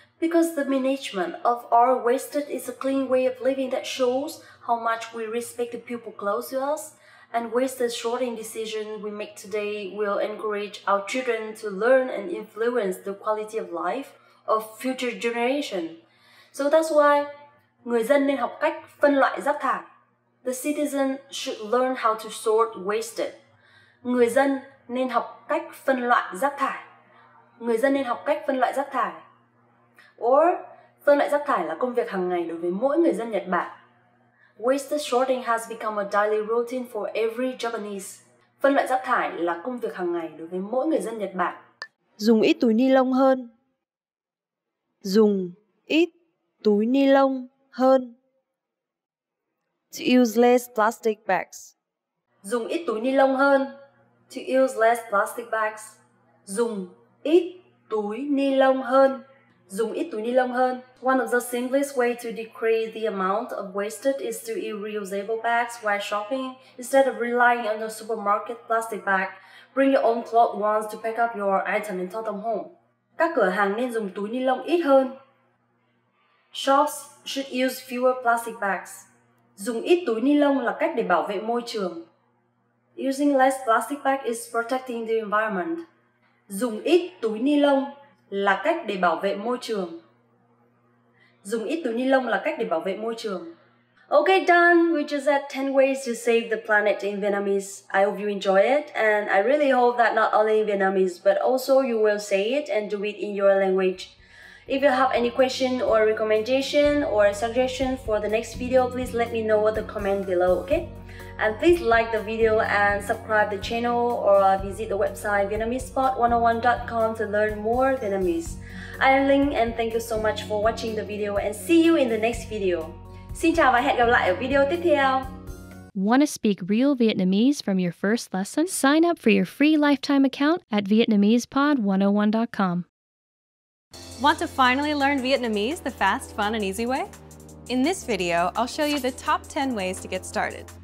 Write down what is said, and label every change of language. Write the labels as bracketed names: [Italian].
[English] Because the management of our waste is a clean way of living that shows how much we respect the people close to us. And waste sorting decisions we make today will encourage our children to learn and influence the quality of life of future generations. So that's why [Vietnamese] người dân nên học cách phân loại rác thải. [English] The citizen should learn how to sort waste. [Vietnamese] Người dân nên học cách phân loại rác thải. Người dân nên học cách phân loại rác thải. Or, phân loại rác thải là công việc hàng ngày đối với mỗi người dân Nhật Bản. [English] Waste sorting has become a daily routine for every Japanese. [Vietnamese] Phân loại rác thải là công việc hàng ngày đối với mỗi người dân Nhật Bản. Dùng ít túi ni lông hơn. Dùng ít túi ni lông hơn. [English] To use less plastic bags. [Vietnamese] Dùng ít túi ni lông hơn. [English] To use less plastic bags. [Vietnamese] Dùng ít túi ni lông hơn. dùng ít túi ni lông hơn. [English] One of the simplest ways to decrease the amount of wasted is to use reusable bags while shopping instead of relying on a supermarket plastic bag. Bring your own cloth once to pack up your item and tote them home. [Vietnamese] Các cửa hàng nên dùng túi ni lông ít hơn. [English] Shops should use fewer plastic bags. [Vietnamese] Dùng ít túi ni lông là cách để bảo vệ môi trường. [English] Using less plastic bag is protecting the environment. [Vietnamese] Dùng ít túi ni lông là cách để bảo vệ môi trường. Dùng ít túi ni lông là cách để bảo vệ môi trường. [English] Okay, done. We just had 10 ways to save the planet in Vietnamese. I hope you enjoy it, and I really hope that not only in Vietnamese, but also you will say it and do it in your language. If you have any question or recommendation or suggestion for the next video, please let me know in the comment below, okay? And please like the video and subscribe the channel or visit the website VietnamesePod101.com to learn more Vietnamese. I am Linh and thank you so much for watching the video and see you in the next video. [Vietnamese] Xin chào và hẹn gặp lại ở video tiếp theo. [English] Want to speak real Vietnamese from your first lesson? Sign up for your free lifetime account at VietnamesePod101.com. Want to finally learn Vietnamese the fast, fun, and easy way? In this video, I'll show you the top 10 ways to get started.